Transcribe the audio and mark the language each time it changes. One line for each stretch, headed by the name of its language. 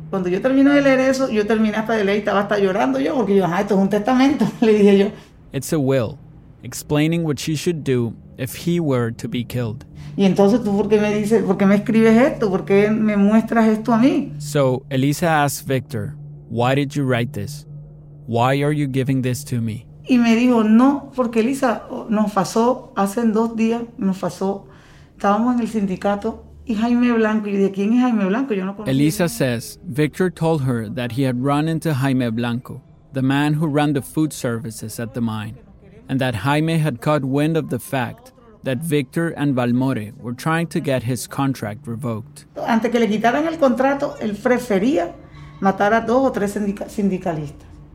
Spanish: Cuando yo termino de leer eso, yo terminé hasta de leer y estaba hasta llorando yo, porque yo, ah, esto es un testamento, le dije yo.
English: It's a will, explaining what she should do if he were to be killed.
Spanish: Y entonces tú, ¿por qué me dices, por qué me escribes esto? ¿Por qué me muestras esto a mí?
English: So Elisa asks Victor, "Why did you write this? Why are you giving this to me?"
Spanish: Y me dijo, no, porque Elisa nos pasó, hace dos días nos pasó, estábamos en el sindicato, y Jaime Blanco, y dije, ¿quién es Jaime Blanco? Yo no conocí.
English: Elisa says Victor told her that he had run into Jaime Blanco, the man who ran the food services at the mine, and that Jaime had caught wind of the fact that Victor and Balmore were trying to get his contract revoked.
Spanish: Antes que le quitaran el contrato, él prefería matar a dos o tres sindicalistas.